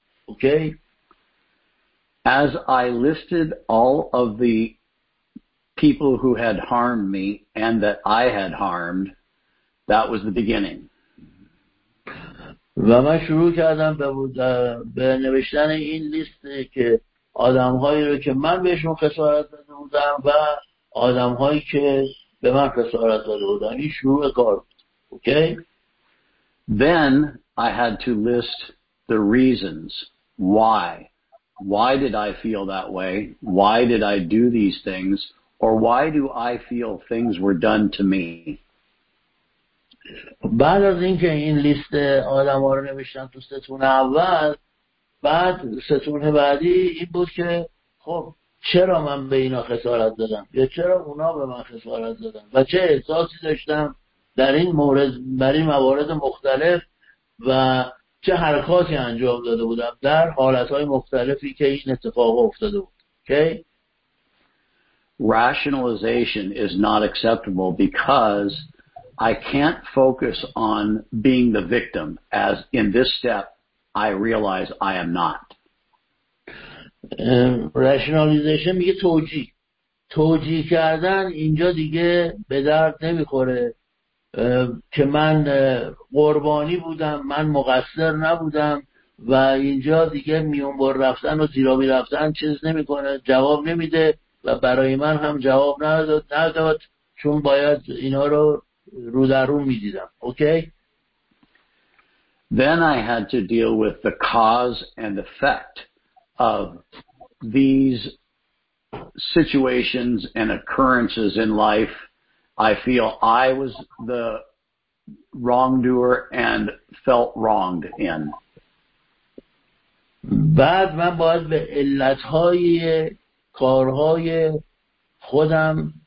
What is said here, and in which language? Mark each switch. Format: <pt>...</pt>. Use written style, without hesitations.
<fa>اوکی؟</fa> <en>As I listed all of the people who had harmed me and that I had harmed, that was the beginning.</en> <fa>و من شروع کردم به نوشتن این لیست که آدم‌هایی رو که من بهشون خسارت زده بودم و آدم‌هایی که به من خسارت زده بودن. این شروع کار بود. اوکی؟</fa> <en>Then I had to list the reasons why. Why did I feel that way? Why did I do these things? Or why do I feel things were done to me?</en> <fa>بعد از اینکه این لیست آدم ها رو نوشتم تو ستون اول، بعد ستون بعدی این بود که خب چرا من به اینا خسارت دادم یا چرا اونا به من خسارت دادن و چه احساسی داشتم در این مورد، بر این موارد مختلف و چه حرکاتی انجام داده بودم در حالتهای مختلفی که این اتفاق افتاده بود.</fa> <en>Okay? Rationalization is not acceptable because I can't focus on being the victim, as in this step, I realize I am not.</en> <fa>Rationalization میگه توجیه. توجیه کردن اینجا دیگه به درد نمیخوره که من قربانی بودم، من مقصر نبودم و اینجا دیگه میونبر رفتن و زیرابی رفتن چیز نمیکنه، جواب نمیده و برای من هم جواب نداد چون باید اینا رو رو در رو می‌دیدم. اوکی؟</fa> <en>Then I had to deal with the cause and effect of these situations and occurrences in life. I feel I was the wrongdoer and felt wronged in.</en> <fa>بعد من باید به علت‌های کارهای خودم</fa>